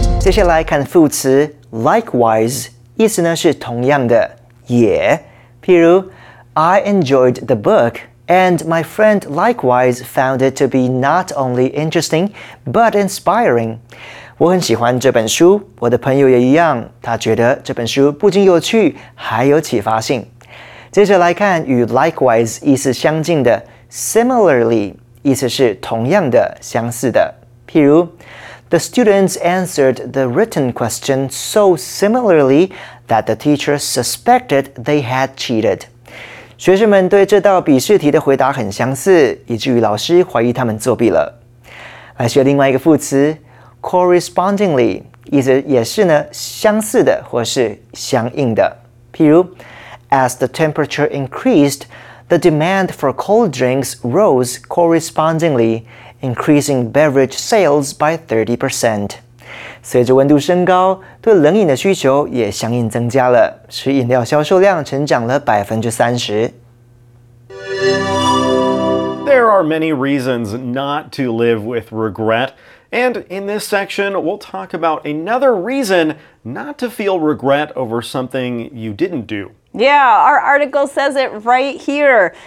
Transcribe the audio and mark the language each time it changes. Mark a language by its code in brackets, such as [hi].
[en] Likewise, [zh] 意思呢是同样的, 也, 譬如, [en] I enjoyed the book, and my friend likewise found it to be not only interesting, but inspiring. [zh] 我很喜欢这本书, 我的朋友也一样, 他觉得这本书不仅有趣, 还有启发性。接着来看与likewise意思相近的, similarly, 意思是同样的, 相似的。譬如, [en] the students answered the written question so similarly that the teacher suspected they had cheated. [zh] 学生们对这道笔试题的回答很相似, 以至于老师怀疑他们作弊了。来学另外一个副词, correspondingly, 意思也是呢, 相似的或是相应的。譬如, [en] as the temperature increased, the demand for cold drinks rose correspondingly, increasing beverage sales by 30%. [zh] 随着温度升高, 对冷饮的需求也相应增加了, 使饮料销售量成长了30%。 [en] There are many reasons not to live with regret, and in this section, we'll talk about another reason not to feel regret over something you didn't do. Yeah, our article says it right here.